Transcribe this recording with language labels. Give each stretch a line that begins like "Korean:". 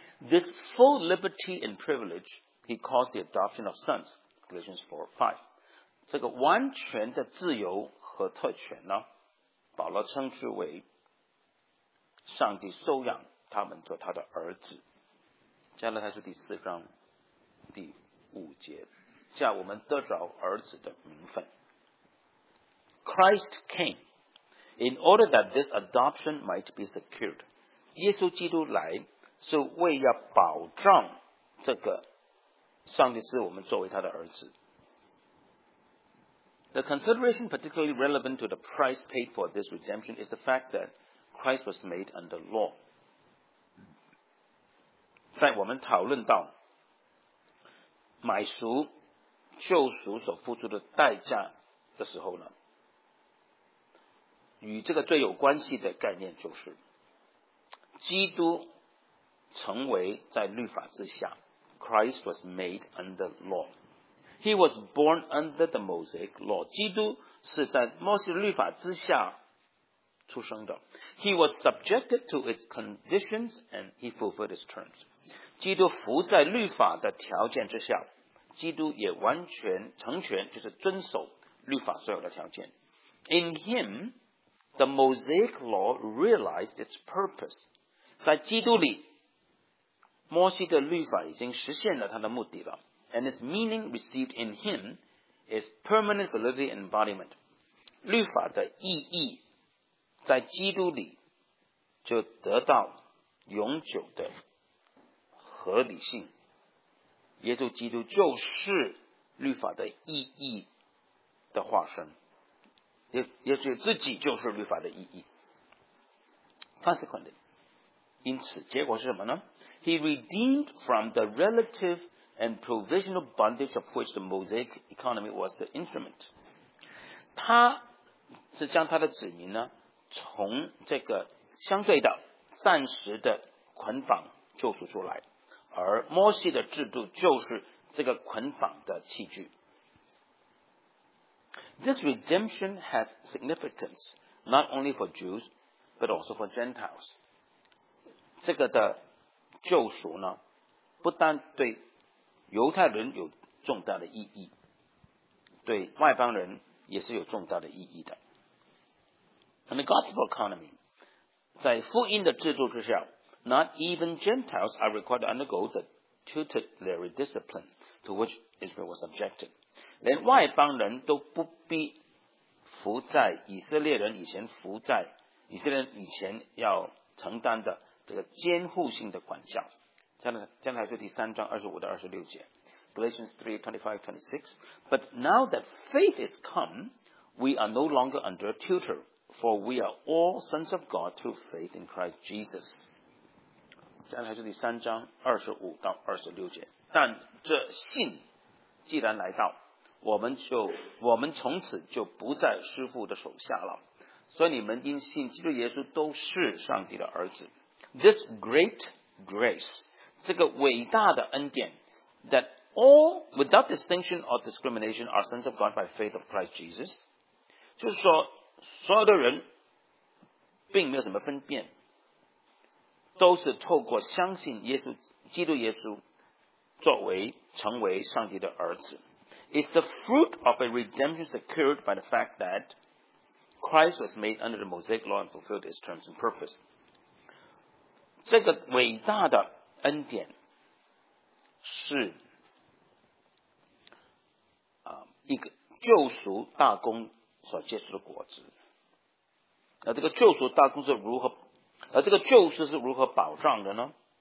English: This full liberty and privilege he calls the adoption of sons Galatians 4:5
Chinese: 这个完全的自由和特权呢保罗称之为上帝收养他们做他的儿子加拉太书第四章第五节叫我们得着儿子的名分
English: Christ came in order that this adoption might be secured
Chinese: 耶稣基督来是为了保障这个上帝是我们作为他的儿子
English: The consideration particularly relevant to the price paid for this redemption is the fact thatChrist was made under law.
Chinese: 在我们讨论到买赎、救赎所付出的代价的时候呢，与这个最有关系的概念就是，基督成为在律法之下。
English: Christ was made under law. He was born under the Mosaic law.
Chinese: 基督是在摩西律法之下。出生的
English: He was subjected to its conditions and he fulfilled its terms.
Chinese: 基督服在律法的条件之下，基督也完全成全，就是遵守律法所有的条件。
English: In him the Mosaic law realized its purpose，
Chinese: 在基督里摩西的律法已经实现了它的目的了。
English: And its meaning received in him is permanent validity and embodiment，
Chinese: 律法的意义在基督里就得到永久的合理性。耶稣基督就是律法的意义的化身，耶稣自己就是律法的意义。 Consequently， 因此结果是什么呢？
English: He redeemed from the relative and provisional bondage of which the Mosaic economy was the instrument，
Chinese: 他是将他的子民呢从这个相对的暂时的捆绑救赎出来，而摩西的制度就是这个捆绑的器具。
English: This redemption has significance not only for Jews but also for Gentiles，
Chinese: 这个的救赎呢不单对犹太人有重大的意义，对外邦人也是有重大的意义的。
English: And the gospel economy，
Chinese: 在福音的制度之下，
English: Not even Gentiles are required to undergo the tutelary discipline to which Israel was subjected.
Chinese: 连外邦人都不必服在以色列人以前服在以色列人以前要承担的这个监护性的管教。将来是第三章二十五到二十六节。
English: Galatians 3:25-26. But now that faith is come, we are no longer under a tutor, for we are all sons of God through faith in Christ Jesus.
Chinese: 刚才是第三章二十五到二十六节，但这信既然来到，我们从此就不在师父的手下了，所以你们因信基督耶稣都是上帝的儿子。
English: This great grace，
Chinese: 这个伟大的恩典，
English: That all without distinction or discrimination are sons of God by faith of Christ Jesus，
Chinese: 就是说所有的人并没有什么分辨，都是透过相信耶稣基督耶稣作为成为上帝的儿子。
English: It's the fruit of a redemption secured by the fact that Christ was made under the Mosaic law and fulfilled its terms and purpose。
Chinese: 这个伟大的恩典是一个救赎大功所结出的果子。那这个救赎大功是如何，而这个救赎是如何保障的呢？